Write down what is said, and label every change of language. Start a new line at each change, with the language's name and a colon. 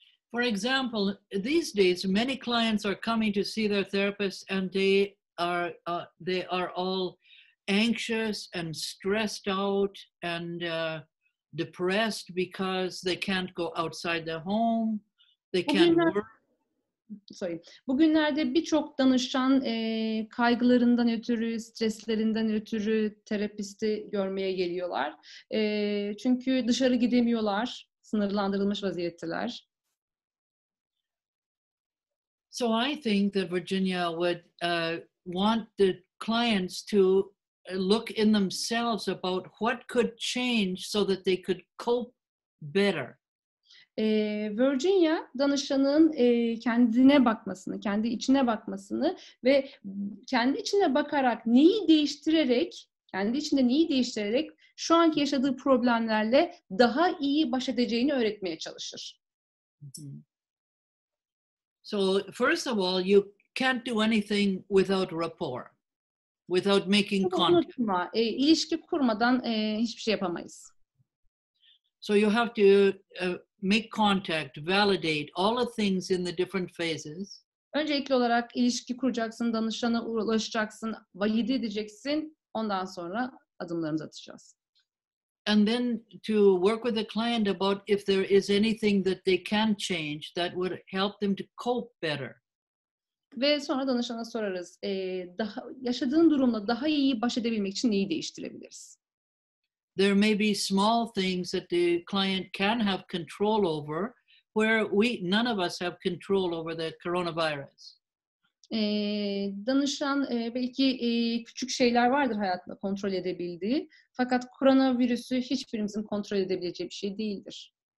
English: For example, these days many clients are coming to see their therapist and they are all anxious and stressed out and depressed because they can't go outside their home, they can't work. Sorry.
Turkish: Bugünlerde birçok danışan kaygılarından ötürü, streslerinden ötürü terapisti görmeye geliyorlar. Çünkü dışarı gidemiyorlar, sınırlandırılmış vaziyetteler.
English: So I think that Virginia would want the clients to look in themselves about what could change so that they could cope better.
Turkish: Virginia danışanın kendine bakmasını, kendi içine bakmasını ve kendi içine bakarak neyi değiştirerek, kendi içinde neyi değiştirerek şu anki yaşadığı problemlerle daha iyi baş edeceğini öğretmeye çalışır.
English: So first of all, you can't do anything without rapport, without making contact.
Turkish: Unutma, ilişki kurmadan hiçbir şey yapamayız.
English: So you have to make contact, validate all the things in the different phases.
Turkish: Öncelikli olarak ilişki kuracaksın, danışana ulaşacaksın, valide edeceksin. Ondan sonra adımlarımızı atacağız.
English: And then to work with the client about if there is anything that they can change that would help them to cope better.
Turkish: Ve sonra danışana sorarız, daha yaşadığın durumla daha iyi baş edebilmek için neyi değiştirebiliriz?
English: There may be small things that the client can have control over where we none of us have control over the coronavirus.
Turkish: Danışan belki küçük şeyler vardır hayatında kontrol edebildiği. Fakat koronavirüsü hiçbirimizin kontrol edebileceği bir şey değildir.